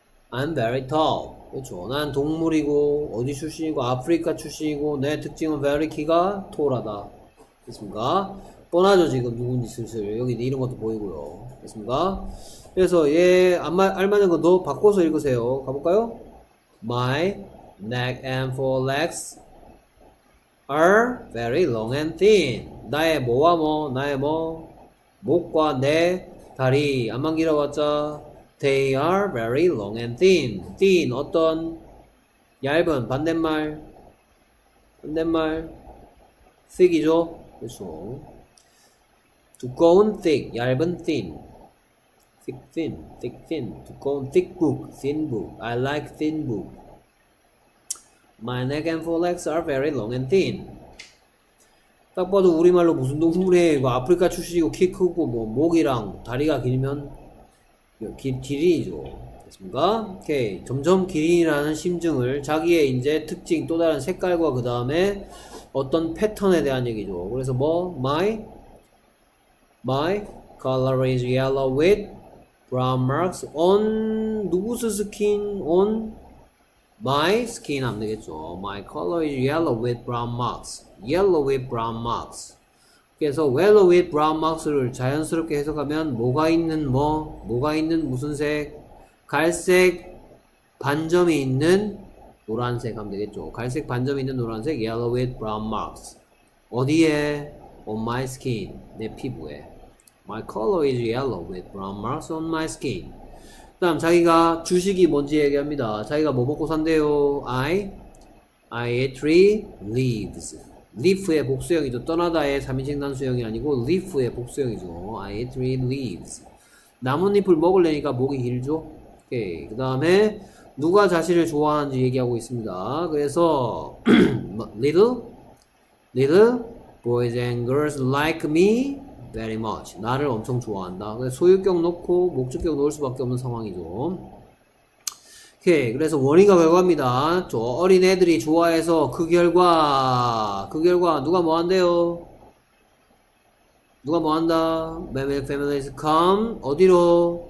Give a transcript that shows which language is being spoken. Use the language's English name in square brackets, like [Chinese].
[English] I'm very tall. [Korean] 그렇죠. 난 동물이고 어디 출신이고 아프리카 출신이고 내 특징은 very 키가 톨하다. 그렇습니까? 뻔하죠 지금 누군지 슬슬. 여기 네 이런 것도 보이고요. 그렇습니까? 그래서 얘 알맞은 거 너 바꿔서 읽으세요. 가볼까요? [English] My neck and forelegs are very long and thin. [Korean] 나의 뭐와 뭐? 나의 뭐? 목과 내 다리 안만 길어봤자 [English] They are very long and thin. Thin [Korean] 어떤 얇은 반대말 반대말 [English] thick이죠. 그렇죠. [Korean] 두꺼운 [English] thick [Korean] 얇은 [English] thin. Thick thin thick thin 두꺼운 thick book thin book. I like thin book. My neck and forelegs are very long and thin. [Korean] 딱 봐도 우리말로 무슨 동물이에요? 이거 아프리카 출신이고 키 크고 뭐 목이랑 다리가 길면 기린이죠. 됐습니까? 오케이. 점점 기린이라는 심증을 자기의 이제 특징 또 다른 색깔과 그 다음에 어떤 패턴에 대한 얘기죠. 그래서 뭐 [English] my color is yellow with brown marks on 누구's skin on my skin [Korean] 하면 되겠죠. [English] My color is yellow with brown marks. Yellow with brown marks. [Korean] 그래서 yellow with brown marks를 자연스럽게 해석하면 뭐가 있는 뭐 뭐가 있는 무슨 색 갈색 반점이 있는 노란색 하면 되겠죠. 갈색 반점이 있는 노란색 yellow with brown marks 어디에? [English] On my skin [Korean] 내 피부에. [English] My color is yellow with brown marks on my skin. [Korean] 다음 자기가 주식이 뭔지 얘기합니다. 자기가 뭐 먹고 산대요? [English] I eat tree leaves. [Korean] leaf의 복수형이죠. 떠나다의 3인칭 단수형이 아니고 leaf의 복수형이죠. [English] I eat tree leaves. [Korean] 나뭇잎을 먹으려니까 목이 길죠. 오케이. 그 다음에 누가 자신을 좋아하는지 얘기하고 있습니다. 그래서 [English] little boys and girls like me very much. [Korean] 나를 엄청 좋아한다. 소유격 놓고 목적격 놓을 수밖에 없는 상황이죠. 오케이. 그래서 원인과 결과입니다. 저 어린 애들이 좋아해서 그 결과 누가 뭐 한대요? 누가 뭐 한다? [English] Many families come [Korean] 어디로?